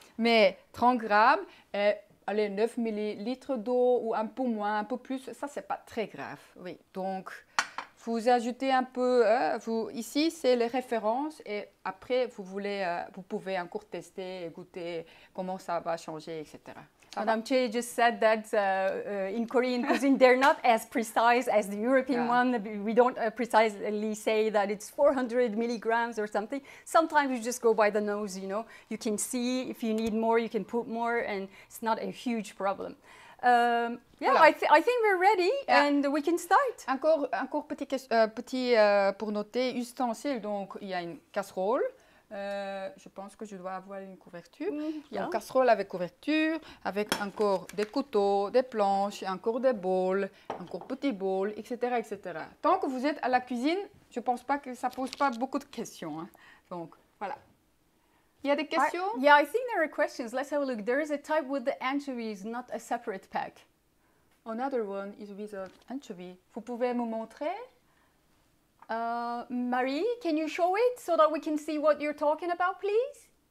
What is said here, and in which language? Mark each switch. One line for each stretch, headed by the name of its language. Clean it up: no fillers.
French: Mais 30 g et allez, 9 ml d'eau ou un peu moins, un peu plus, ça c'est pas très grave, oui. Donc, vous ajoutez un peu, ici c'est les références et après vous pouvez encore tester et goûter comment ça va changer, etc.
English: Madame Che just said that in Korean cuisine, they're not as precise as the European one. We don't precisely say that it's 400 milligrams or something. Sometimes you just go by the nose, you know. You can see if you need more, you can put more, and it's not a huge problem. I think we're ready and we can start.
French: Encore petit pour noter, ustensile, donc il y a une casserole. Je pense que je dois avoir une couverture. Il y a une casserole avec couverture, avec encore des couteaux, des planches, encore des bowls, encore petits bowls, etc., etc. Tant que vous êtes à la cuisine, je ne pense pas que ça ne pose pas beaucoup de questions. Donc, voilà. Il y a des questions?
English: I think there are questions. Let's have a look. There is a type with the anchovies, not a separate pack. Another one is with an anchovy.
French: Vous pouvez me montrer?
English: Marie, can you show it so that we can see what you're talking about, please?